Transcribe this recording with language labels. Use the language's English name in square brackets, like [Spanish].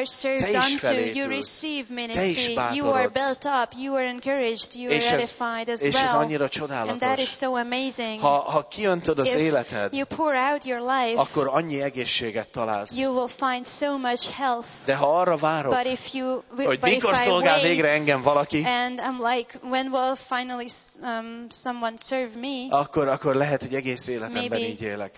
[Hungarian] Te is felépülsz. Te is bátorodsz. És ez annyira csodálatos. Ha kiöntöd az életed, [English] out your life, [Hungarian] akkor annyi egészséget találsz. [English] You will find so much health. [Hungarian] De ha arra várok, [English] but if you, [Hungarian] hogy mikor szolgál végre engem valaki, [English] and I'm like, when will finally someone serve me? [Hungarian] Akkor lehet, hogy egész életemben így élek.